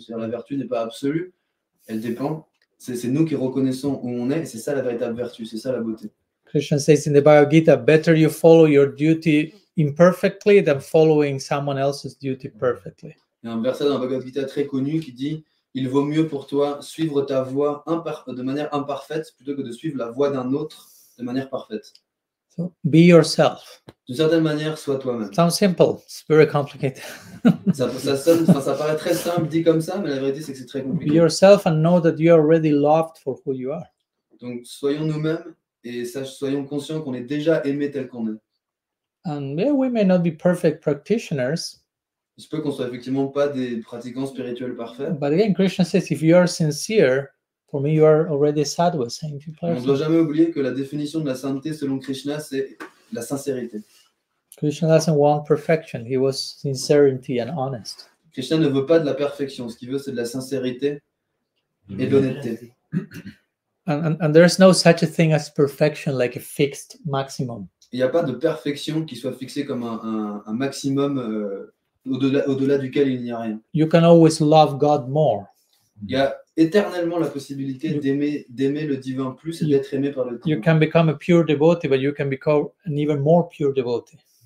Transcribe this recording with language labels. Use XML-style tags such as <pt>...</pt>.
<fr>C'est-à-dire la vertu n'est pas absolue, elle dépend. C'est nous qui reconnaissons où on est, et c'est ça la véritable vertu, c'est ça la beauté.</fr> <en>Krishna says in the Bhagavad Gita, better you follow your duty imperfectly than following someone else's duty perfectly.</en> <fr>Il y a un verset dans la Bhagavad Gita très connu qui dit, il vaut mieux pour toi suivre ta voie de manière imparfaite plutôt que de suivre la voie d'un autre de manière parfaite.</fr> <en>So, be yourself.</en> <fr>D'une certaine manière, sois toi-même.</fr> <en>Sounds simple, it's very complicated.</en> <fr>ça paraît très simple dit comme ça, mais la vérité, c'est que c'est très compliqué.</fr> <en>Be yourself and know that you are already loved for who you are.</en> <fr>Donc, soyons nous-mêmes et soyons conscients qu'on est déjà aimé tel qu'on est.</fr> <en>And yeah, we may not be perfect practitioners.</en> <fr>Il se peut qu'on soit effectivement pas des pratiquants spirituels parfaits.</fr> <en>But again, Krishna says, if you are sincere, for me, you are already sad with saying people.</en> <fr>On ne doit jamais oublier que la définition de la sainteté selon Krishna, c'est la sincérité.</fr> <en>Krishna doesn't want perfection. He was sincerity and honest.</en> <fr>Krishna ne veut pas de la perfection. Ce qu'il veut, c'est de la sincérité et de l'honnêteté.</fr> <en>And there's no such a thing as perfection, like a fixed maximum.</en> <fr>Il n'y a pas de perfection qui soit fixée comme un maximum au-delà duquel il n'y a rien.</fr> <en>You can always love God more.</en> <fr>Il y a éternellement la possibilité d'aimer le divin plus et d'être aimé par le divin.</fr> <en>You can become a pure devotee, but you can become an even more pure devotee.</en>